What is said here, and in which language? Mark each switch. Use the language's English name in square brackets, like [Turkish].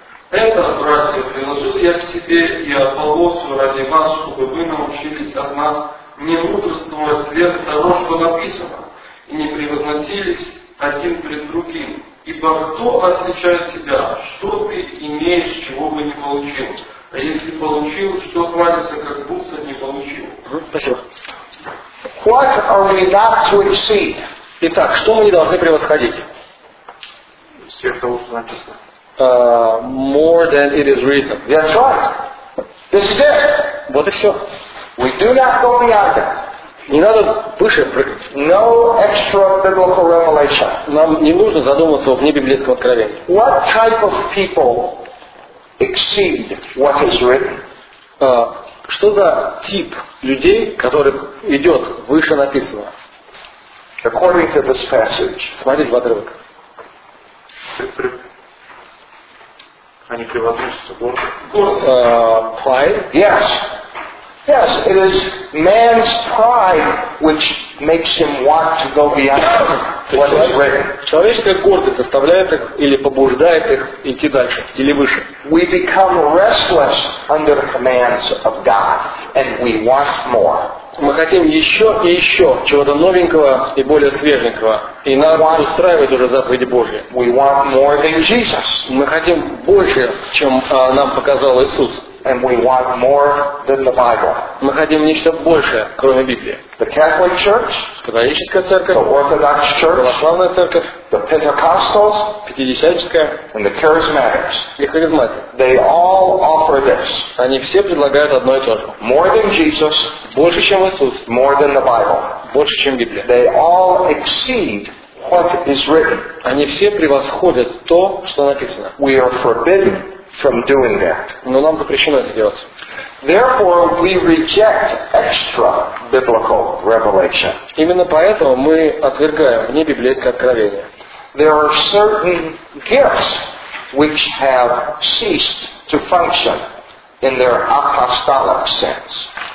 [Russian] Это, братья, приложил я к себе и Аполлосу ради вас, чтобы вы научились от нас не мудрствовать сверх того, что написано, и не превозносились один пред другим. Ибо кто отличает себя, что ты имеешь, чего бы не получил? А если получил, что хвалится, как будто не получил? Спасибо. [English] What are we not to exceed? [Russian] Итак, что мы не должны превосходить? Сверх того, что написано. [English] More than it is written. That's right. This is it. [Russian] Вот и все. [English] We do not go beyond it. [Russian] Не надо выше прыгать. [English] No extra biblical revelation. [Russian] Нам не нужно задумываться о внебиблейском откровении. [English] What type of people exceed what is written? [Russian] Что за тип людей, который идет выше написанного? [English] According to this passage. [Russian] Смотрите в отрывок. Они превозносятся гордо. [English] Pride? Yes. Yes, it is man's pride which makes him want to go beyond what is written. [Russian] Человеческая гордость заставляет их или побуждает их идти дальше или выше. [English] We become restless under the commands of God, and we want more. [Russian] Мы хотим еще и еще чего-то новенького и более свеженького, и нас устраивает уже заповеди Божьи. [English] We want more than Jesus. [Russian] Мы хотим больше, чем нам показал Иисус. [English] And we want more than the Bible. [Russian] Мы хотим нечто большее, кроме Библии. [English] The Catholic Church, [Russian] католическая церковь, [English] the Orthodox Church, [Russian] православная церковь, [English] the Pentecostals, [Russian] пятидесятническая, [English] and the Charismatics, [Russian] и харизматы. [English] They all offer this. [Russian] Они все предлагают одно и то же. [English] More than Jesus, [Russian] больше, чем Иисус. [English] More than the Bible, [Russian] больше, чем Библия. [English] They all exceed what is written. [Russian] Они все превосходят то, что написано. [English] We are forbidden from doing that. [Russian] Но нам запрещено это делать. [English] Therefore, we reject extra biblical revelation. [Russian] Именно поэтому мы отвергаем внебиблейское откровение. [English] There are certain gifts which have ceased to function in their apostolic sense.